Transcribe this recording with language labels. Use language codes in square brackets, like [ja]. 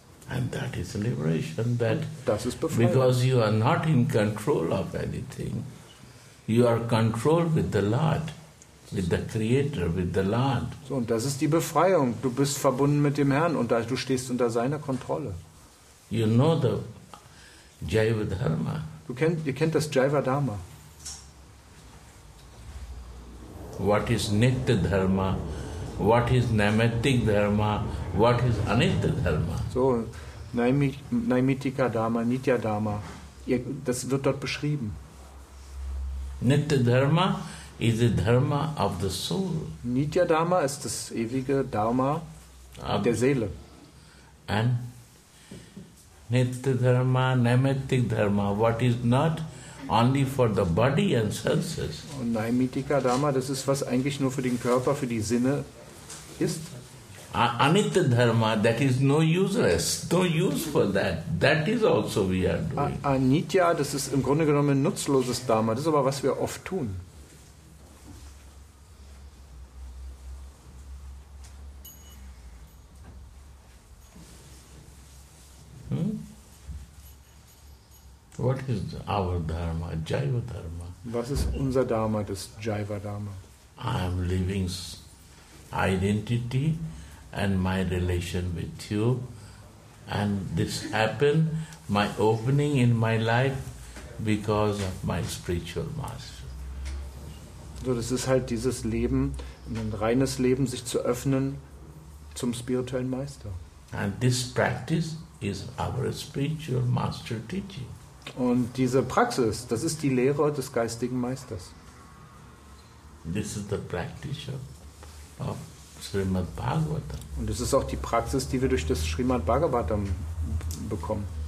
[en] And that is liberation. That [de] das ist Befreiung. [en] Because you are not in control of anything. You are controlled with the Lord. With the Creator, with the Lord. [de] So, und das ist die Befreiung. Du bist verbunden mit dem Herrn und du stehst unter seiner Kontrolle. [en] You know the Jaiva Dharma. [de] Ihr kennt das Jaiva Dharma. [en] What is Nitya Dharma? What is Naimittika Dharma? What is Anitya Dharma? [de] So, Naimittika Dharma, Nitya Dharma. Das wird dort beschrieben. [en] Nitya Dharma is the Dharma of the soul. [de] Nitya Dharma ist das ewige Dharma der Seele. [en] And Nitya Dharma, Naimittika Dharma, what is not only for the body and senses. [de] Und Naimittika Dharma, das ist was eigentlich nur für den Körper, für die Sinne ist. [en] Anitya Dharma, that is no useless, no use for that. That is also we are doing. [de] Anitya, das ist im Grunde genommen ein nutzloses Dharma, das ist aber was wir oft tun. [en] What is our dharma? Jaiva dharma. [de] Was ist unser Dharma, das Jaiva Dharma? [en] I am living identity and my relation with you, and this happened, my opening in my life, because of my spiritual master. [de] So, das ist halt dieses Leben, ein reines Leben, sich zu öffnen zum spirituellen Meister. [en] And this practice is our spiritual master teaching. [de] Und diese Praxis, das ist die Lehre des geistigen Meisters. [en] This is the practice of Srimad Bhagavatam. [de] Und es ist auch die Praxis, die wir durch das Srimad Bhagavatam bekommen.